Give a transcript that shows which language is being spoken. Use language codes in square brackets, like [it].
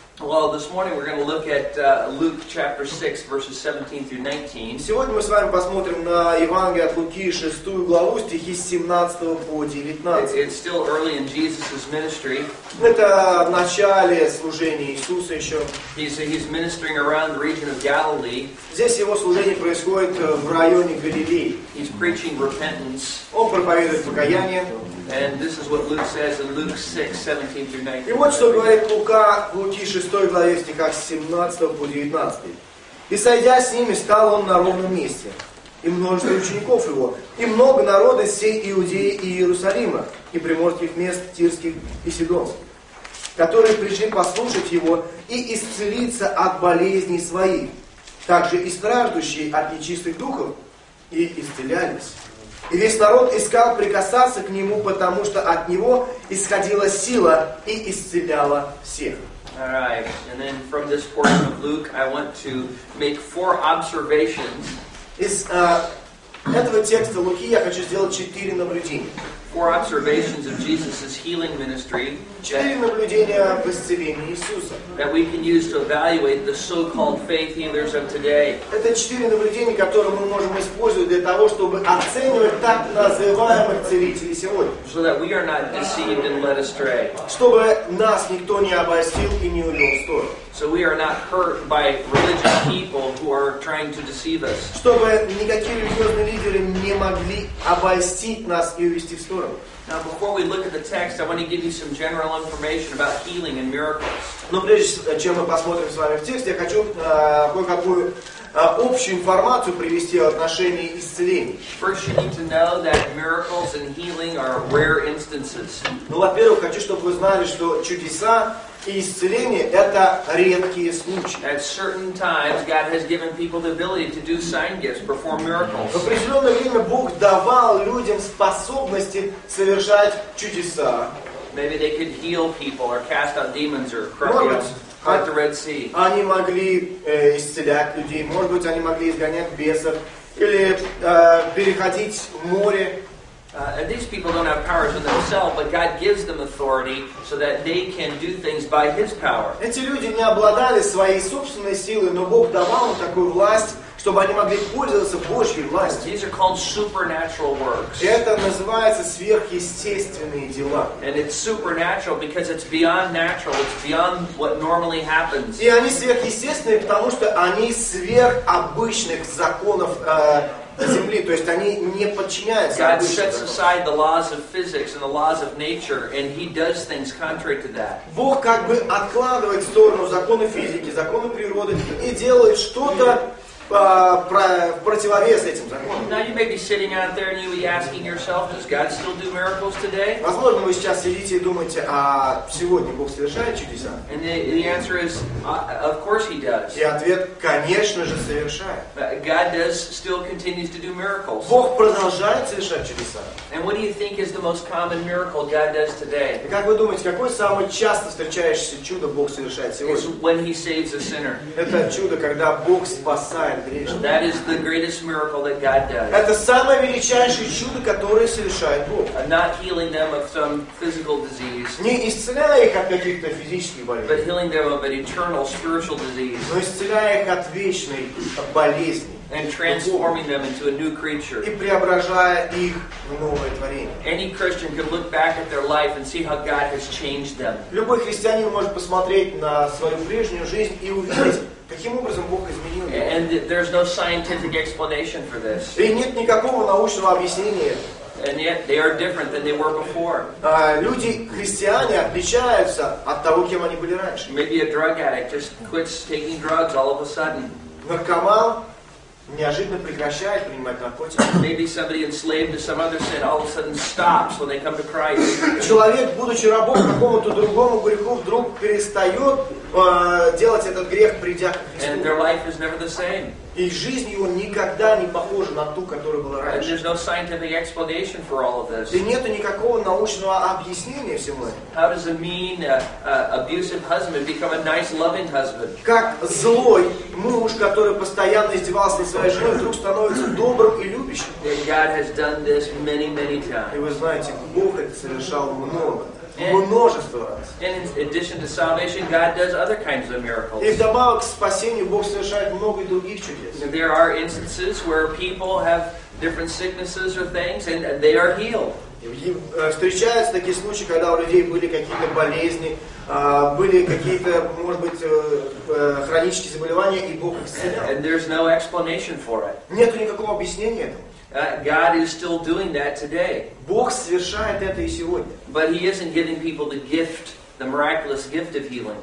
[en] Well, this morning we're going to look at Luke chapter 6, verses 17 through 19. [ru] Сегодня мы с вами посмотрим на Евангелие от Луки, 6 главу, стихи с 17 по 19. [en] It's still early in Jesus' ministry. [ru] Это в начале служения Иисуса еще. [en] He's ministering around the region of Galilee. [ru] Здесь его служение происходит в районе Галилеи. [en] He's preaching repentance. [ru] Он проповедует покаяние. [en] And this is what Luke says in Luke 6, 17 through 19. [ru] И вот что говорит Лука в Луки 6 главе стихах с 17 по 19. «И сойдя с ними, стал он на ровном месте, и множество учеников его, и много народа сей Иудеи и Иерусалима, и приморских мест Тирских и Сидонских, которые пришли послушать его и исцелиться от болезней своих, также и страждущие от нечистых духов, и исцелялись». И весь народ искал прикасаться к нему, потому что от него исходила сила и исцеляла всех. [en] All right. And then from this portion of Luke, I want to make four observations. [ru] Из этого текста Луки я хочу сделать четыре наблюдения. [en] Four observations of Jesus's healing ministry. [ru] Четыре наблюдения об исцелении Иисуса. [en] That we can use to evaluate the so-called faith healers of today. [ru] Это четыре наблюдения, которые мы можем использовать для того, чтобы оценивать так называемых целителей сегодня. [en] So that we are not deceived and led astray. [ru] Чтобы нас никто не обольстил и не увел в сторону. [en] So we are not hurt by religious people who are trying to deceive us. [ru] Чтобы никакие религиозные лидеры не могли обольстить нас и увести в сторону. [en] Now before we look at the text, I want to give you some general information about healing and miracles. [ru] Но прежде чем мы посмотрим с вами в текст, я хочу кое-какую общую информацию привести о отношении исцеления. [en] First, you need to know that miracles and healing are rare instances. [ru] Ну, во-первых, хочу, чтобы вы знали, что чудеса и исцеление – это редкие случаи. [en] At certain times, God has given people the ability to do sign gifts, perform miracles. [ru] В определенное время Бог давал людям способности совершать чудеса. [en] Maybe they could heal people or cast out demons or cry out. Like the Red Sea. [ru] Они могли исцелять людей, может быть, они могли изгонять бесов или переходить в море. [en] And these people don't have powers in themselves, but God gives them authority so that they can do things by His power. [ru] Эти люди не обладали своей собственной силой, но Бог давал им такую власть, чтобы они могли пользоваться Божьей властью. [en] These are called supernatural works. [ru] Это называется сверхъестественные дела. [en] And it's supernatural because it's beyond natural, it's beyond what normally happens. [ru] И они сверхъестественные, потому что они сверх обычных законов земли, то есть они не подчиняются. [en] God sets aside the laws of physics and the laws of nature, and He does things contrary to that. [ru] Бог как бы откладывает в сторону законы физики, законы природы и делает что-то в противовес этим законам. [en] Now you may be sitting out there and you'll be asking yourself, does God still do miracles today? [ru] Возможно, вы сейчас сидите и думаете, а сегодня Бог совершает чудеса? [en] And the answer is, of course He does. [ru] И ответ, конечно же, совершает. [en] God does still continues to do miracles. [ru] Бог продолжает совершать чудеса. [en] And what do you think is the most common miracle God does today? [ru] И как вы думаете, какое самое часто встречающееся чудо Бог совершает сегодня? [en] It's when He saves a sinner. [ru] Это чудо, когда Бог спасает. [en] That is the greatest miracle that God does. [ru] Это самое величайшее чудо, которое совершает Бог. [en] Not healing them of some physical disease. [ru] Не исцеляя их от каких-то физических болезней. [en] But healing them of an eternal spiritual disease. [ru] Но исцеляя их от вечной болезни. [en] And transforming them into a new creature. [ru] И преображая их в новое творение. [en] Any Christian can look back at their life and see how God has changed them. [ru] Любой христианин может посмотреть на свою прежнюю жизнь и увидеть. Каким образом Бог изменил его? [en] And there's no scientific explanation for this. [ru] И нет никакого научного объяснения. [en] And yet they are different than they were before. [ru] Люди, христиане, отличаются от того, кем они были раньше. [en] Maybe a drug addict just quits taking drugs all of a sudden. [ru] Наркоман неожиданно прекращает принимать наркотики. [en] Maybe somebody enslaved to some other sin all of a sudden stops when they come to Christ. [ru] Человек, будучи рабом какому-то другому греху, вдруг перестает делать этот грех, придя к Христу. [en] And their life is never the same. [ru] И жизнь его никогда не похожа на ту, которая была раньше. [en] And there's no scientific explanation for all of this. [ru] И нету никакого научного объяснения всему этому. [en] How does a mean, abusive husband become a nice, loving husband? [ru] Как злой муж, который постоянно издевался над своей женой, вдруг становится добрым и любящим? [en] And God has done this many, many times. [ru] И вы знаете, Бог это совершал много. Множество раз. [en] And in addition to salvation, God does other kinds of miracles. [ru] И вдобавок к спасению, Бог совершает много других чудес. [en] There are instances where people have different sicknesses or things, and they are healed. [ru] Встречаются такие случаи, когда у людей были какие-то болезни, были какие-то, может быть, хронические заболевания, и Бог их исцелял. [en] And there's no explanation for it. [ru] Нет никакого объяснения этому. [en] God is still doing that today. [ru] Бог совершает это и сегодня. [en] But He isn't giving people the gift, the miraculous gift of healing.